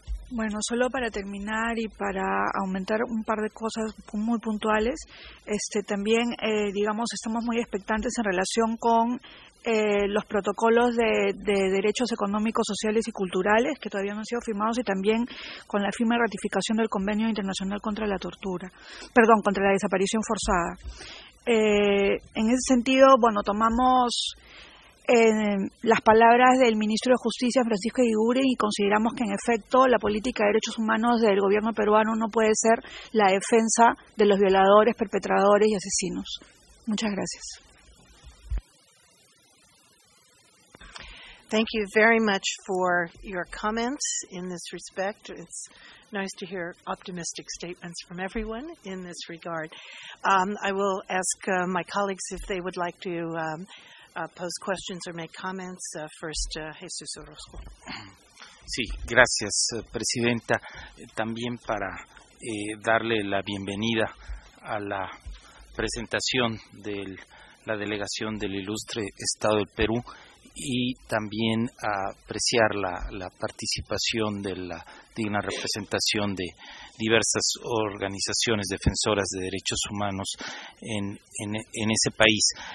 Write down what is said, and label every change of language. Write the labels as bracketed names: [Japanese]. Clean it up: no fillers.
[Spanish] Bueno, solo para terminar y para aumentar un par de cosas muy puntuales, también digamos estamos muy expectantes en relación con los protocolos de derechos económicos, sociales y culturales que todavía no han sido firmados, y también con la firma y ratificación del Convenio Internacional contra la Tortura, perdón, contra la desaparición forzada. En ese sentido, bueno, tomamos las palabras del ministro de Justicia, Francisco Eguiguren, y consideramos que, en efecto, la política de derechos humanos del gobierno peruano no puede ser la defensa de los violadores, perpetradores y asesinos. Muchas gracias. [English] Thank you very much for your comments in this respect. It's nice to hear optimistic statements from everyone in this regard. I will ask my colleagues if they would like to pose questions or make comments. First, Jesús Orozco. [Spanish] Sí, gracias, Presidenta. También para darle la bienvenida a la presentación de la delegación del ilustre Estado del Perú, y también apreciar la participación de la digna representación de diversas organizaciones defensoras de derechos humanos en ese país.